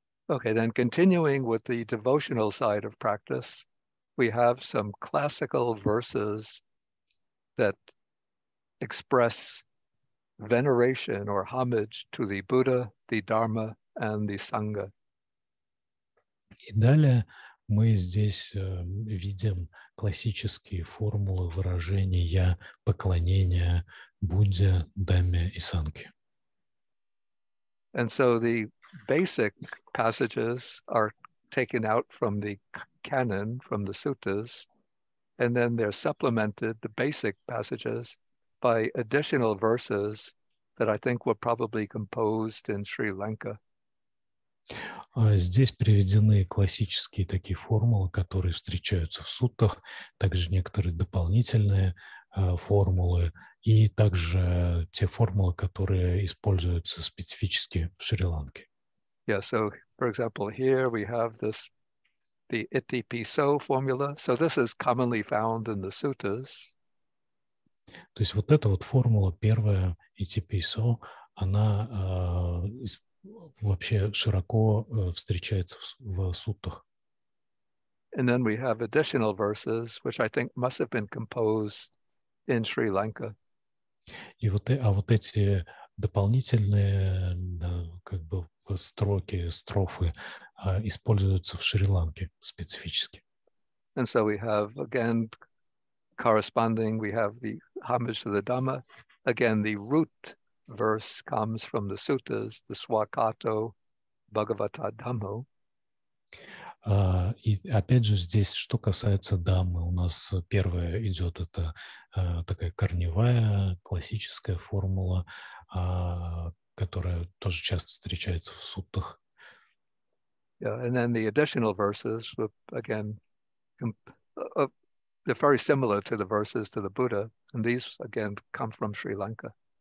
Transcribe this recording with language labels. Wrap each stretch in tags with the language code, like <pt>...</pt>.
<en>Okay, then continuing with the devotional side of practice, we have some classical verses that express veneration or homage to the Buddha, the Dharma, and the Sangha.</en> <ru>И далее мы здесь видим классические формулы выражения поклонения Будде, Дхамме и Сангхе.</ru> <en>And so the basic passages are taken out from the canon, from the suttas, and then they're supplemented, the basic passages, by additional verses that I think were probably composed in Sri Lanka.</en> <ru>Здесь приведены классические такие формулы, которые встречаются в суттах, также некоторые дополнительные формулы, и также те формулы, которые используются специфически в Шри-Ланке.</ru> <en>Yeah, so, for example, here we have this the Iti Piso formula. So this is commonly found in the suttas.</en> <ru>То есть вот эта вот формула первая, Iti Piso, она вообще широко встречается в суттах.</ru> <en>And then we have additional verses, which I think must have been composed in Sri Lanka.</en> <ru>И вот эти дополнительные строфы используются в Шри-Ланке специфически.</ru> <en>And so we have, again, corresponding, we have the homage to the Dhamma. Again, the root verse comes from the suttas, the Svakato Bhagavata Dhammo.</en> <ru>И опять же здесь, что касается Дхаммы, у нас первое идет, это такая корневая, классическая формула, которая тоже часто встречается в суттах.</ru> <en>Yeah, and then the additional verses, again, they're very similar to the verses to the Buddha, and these, again, come from Sri Lanka.</en>